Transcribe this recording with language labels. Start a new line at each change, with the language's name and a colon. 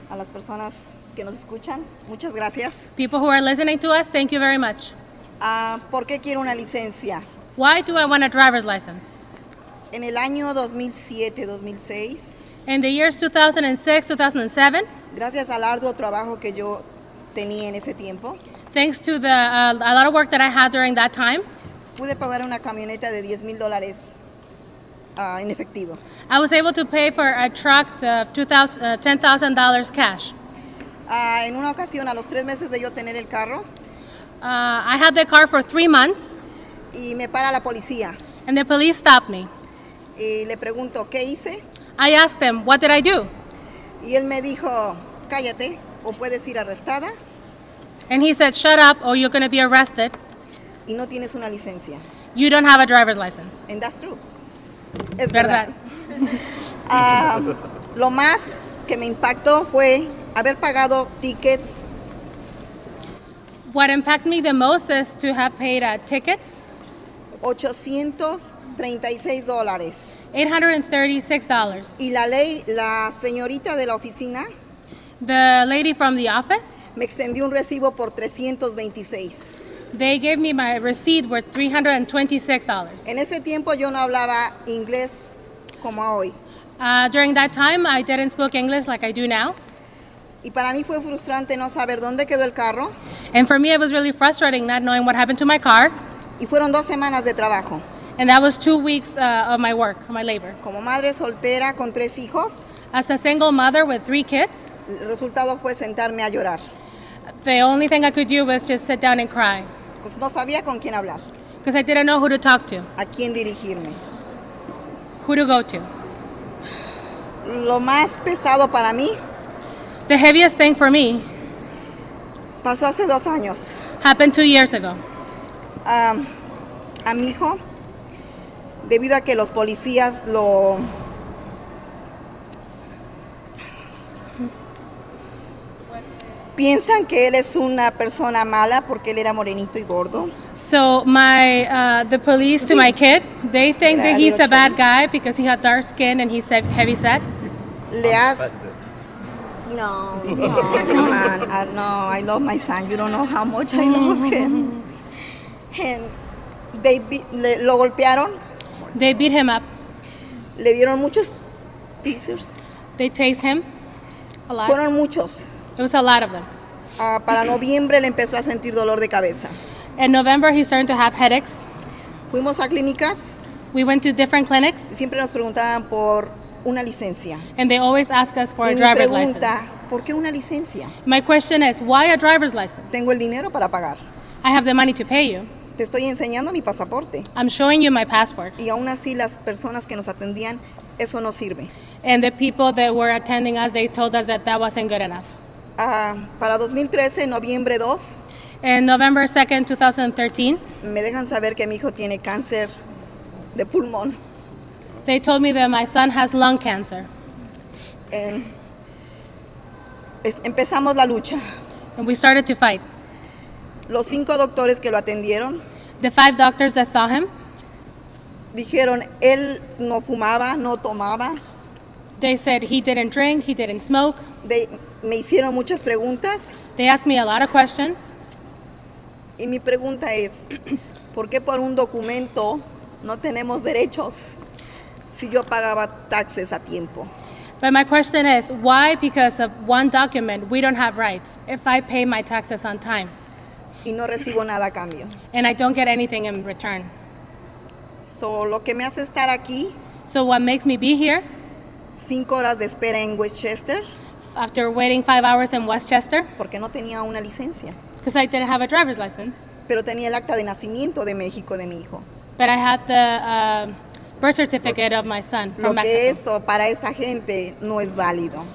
Spanish: A las personas que nos escuchan, muchas gracias.
English: People who are listening to us, thank you very much.
Spanish: ¿Por qué quiero una licencia?
English: Why do I want a driver's license?
Spanish: En el año 2007-2006.
English: In the years 2006-2007.
Spanish: Gracias al arduo trabajo que yo tenía en ese tiempo.
English: Thanks to the a lot of work that I had during that time.
Spanish: Pude pagar una camioneta de $10,000 en efectivo.
English: I was able to pay for a truck of $10,000 cash.
Spanish: En una ocasión, a los 3 meses de yo tener el carro.
English: I had the car for 3 months.
Spanish: Y me para la policía.
English: And the police stopped me.
Spanish: Y le pregunto, ¿qué hice?
English: I asked them, what did I do?
Spanish: Y él me dijo, cállate, o puedes ir arrestada.
English: And he said, shut up, or you're going to be arrested.
Spanish: Y no tienes una licencia.
English: You don't have a driver's license. And that's true.
Spanish: Es verdad. lo más que me impactó fue haber pagado tickets.
English: What impacted me the most is to have paid tickets.
Spanish: $836.
English: $836.
Spanish: Y la ley, la señorita de la oficina.
English: The lady from the office.
Spanish: Me extendió un recibo por $326.
English: They gave me my receipt worth $326.
Spanish: En ese tiempo yo no hablaba inglés como hoy.
English: During that time, I didn't speak English like I do now.
Spanish: Y para mí fue frustrante no saber dónde quedó el carro.
English: And for me, it was really frustrating not knowing what happened to my car.
Spanish: Y fueron 2 semanas de trabajo.
English: And that was 2 weeks of my work, my labor.
Spanish: Como madre soltera con 3 hijos.
English: As a single mother with 3 kids.
Spanish: El resultado fue sentarme a llorar.
English: The only thing I could do was just sit down and cry.
Spanish: Pues no sabía con quién hablar.
English: Because I didn't know who to talk to.
Spanish: A quién dirigirme.
English: Who to go to.
Spanish: Lo más pesado para mí.
English: The heaviest thing for me.
Spanish: Pasó hace 2 años.
English: Happened 2 years ago.
Spanish: A mi hijo. Debido a que los policías lo... Piensan que él es una persona mala porque él era morenito y gordo.
English: So my the police to my kid, they think that he's a bad guy because he had dark skin and he's heavy set.
Spanish: Le has
English: No, I love my son. You don't know how much I love him. And they
Spanish: lo golpearon.
English: They beat him up.
Spanish: Le dieron muchos teasers.
English: They tase him a lot.
Spanish: Fueron muchos.
English: It was a lot of them.
Spanish: Para noviembre le empezó a sentir dolor de cabeza.
English: In November he started to have headaches.
Spanish: Fuimos a clínicas.
English: We went to different clinics.
Spanish: Siempre nos preguntaban por una licencia.
English: And they always ask us for
Spanish: y
English: a driver's
Spanish: pregunta,
English: license.
Spanish: ¿Por qué una licencia?
English: My question is, why a driver's license?
Spanish: Tengo el dinero para pagar.
English: I have the money to pay you.
Spanish: Te estoy enseñando mi pasaporte.
English: I'm showing you my passport.
Spanish: Y aún así las personas que nos atendían, eso no sirve.
English: And the people that were attending us, they told us that that wasn't good enough.
Spanish: Para 2013, noviembre 2.
English: En November 2, 2013.
Spanish: Me dejan saber que mi hijo tiene cáncer de pulmón.
English: They told me that my son has lung cancer.
Spanish: Empezamos la lucha.
English: And we started to fight.
Spanish: Los 5 doctores que lo atendieron.
English: The 5 doctors that saw him.
Spanish: Dijeron, él no fumaba, no tomaba.
English: They said he didn't drink, he didn't smoke.
Spanish: Me hicieron muchas preguntas.
English: They asked me a lot of questions.
Spanish: Y mi pregunta es, ¿por qué por un documento no tenemos derechos si yo pagaba taxes a tiempo?
English: But my question is, why because of one document we don't have rights if I pay my taxes on time?
Spanish: Y no recibo nada a cambio.
English: And I don't get anything in return.
Spanish: So lo que me hace estar aquí.
English: So what makes me be here?
Spanish: 5 horas de espera en Westchester.
English: After waiting 5 hours in Westchester.
Spanish: Porque no tenía una licencia.
English: Because I didn't have a driver's license.
Spanish: Pero tenía el acta de nacimiento de México de mi hijo.
English: But I had the birth certificate of my son from
Spanish: lo
English: Mexico.
Spanish: Que eso para esa gente no es válido.